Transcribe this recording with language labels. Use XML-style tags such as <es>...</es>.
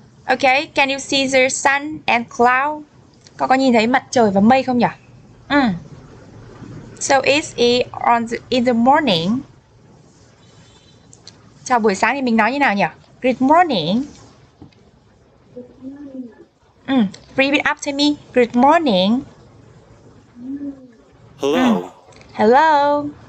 <en>Okay, can you see the sun and cloud?</en> <vi>Con có nhìn thấy mặt trời và mây không nhỉ?</vi> <en>So is it on the, in the morning?</en> <vi>Chào buổi sáng thì mình nói như nào nhỉ?</vi> <en>Good morning. Repeat after me. Good morning. Hello. Hello.</en>